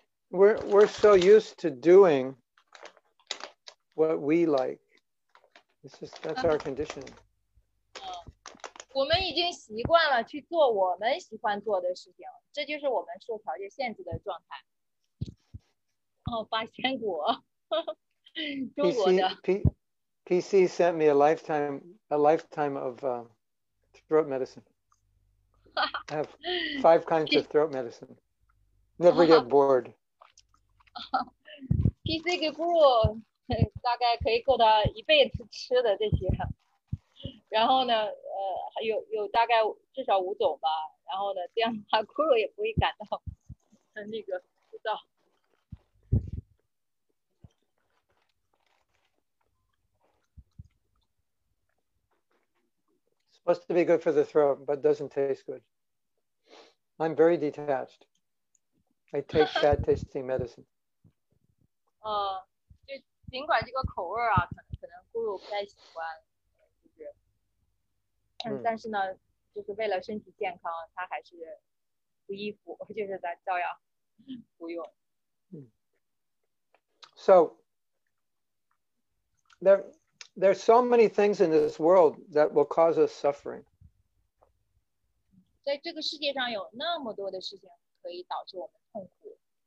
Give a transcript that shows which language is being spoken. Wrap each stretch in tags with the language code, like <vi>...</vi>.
<en>We're so used to doing what we like. That's our conditioning.</en> <zh>我们已经习惯了去做我们喜欢做的事情，这就是我们受条件限制的状态。哦，八仙果， 中国的。</zh> <en>PC sent me a lifetime of throat medicine. I have five kinds of throat medicine. Never get bored.</en> <zh>PC 给咕噜大概可以够到一辈子吃的这些，然后呢，有大概至少五种吧，然后呢，这样他咕噜也不会感到那个枯燥。</zh> <en>Supposed to be good for the throat, but doesn't taste good. I'm very detached. I take bad tasting medicine.</en> <zh>就尽管这个口味啊，可能咕噜不太喜欢，就是，但是呢，就是为了身体健康，他还是不依附，就是在照样服用。</zh> <en>So there's so many things in this world that will cause us suffering.</en> <zh>在这个世界上有那么多的事情可以导致我们痛苦。</zh>